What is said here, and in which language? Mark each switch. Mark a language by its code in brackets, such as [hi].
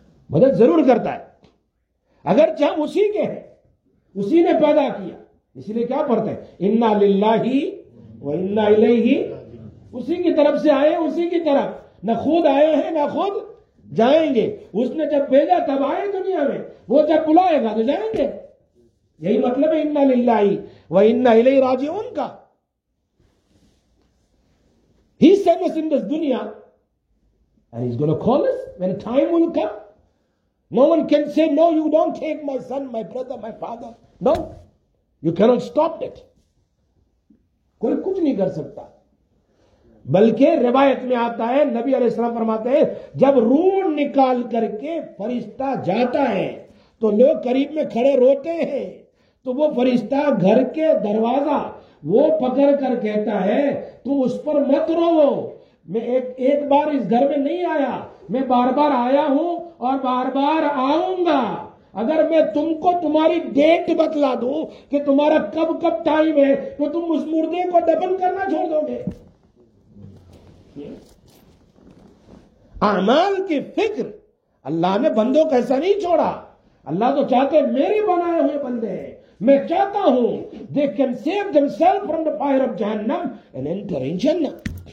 [hi] मदद जरूर करता है, अगर चाहे उसी के हैं, उसी ने पैदा किया, इसलिए क्या पढ़ते हैं [ar] इन्ना लिल्लाही व इन्ना इलैही, [hi] उसी की तरफ से आए, उसी की तरफ न खुद आए हैं न खुद जाएंगे, उसने जब भेजा तब आए दुनिया में, वो जब बुलाएगा तो जाएंगे, यही मतलब है [ar] इन्ना लिल्लाही व इन्ना इलैही राजिऊन [hi] का। [en] he send us in this दुनिया and he is gonna call us when time will come, no one can say no you don't take my son my brother my father, no you cannot stop it, [hi] koi kuch nahi kar sakta, balki riwayat mein aata hai nabi alaihi salam farmate hain jab roon nikal karke farishta jata hai to log kareeb mein khade rote hain to wo farishta ghar ke darwaza wo pakad kar kehta hai tu us par mat ro, मैं एक बार इस घर में नहीं आया, मैं बार बार आया हूं और बार बार आऊंगा, अगर मैं तुमको तुम्हारी डेट बतला दूं कि तुम्हारा कब कब टाइम है तो तुम उस मुर्दे को दफन करना छोड़ दोगे। अमल की फिक्र अल्लाह ने बंदों को ऐसा नहीं छोड़ा, अल्लाह तो चाहते मेरी बनाए हुए बंदे, मैं चाहता हूं [en] They can save themselves from the fire of जहन्नम and enter in जन्नत।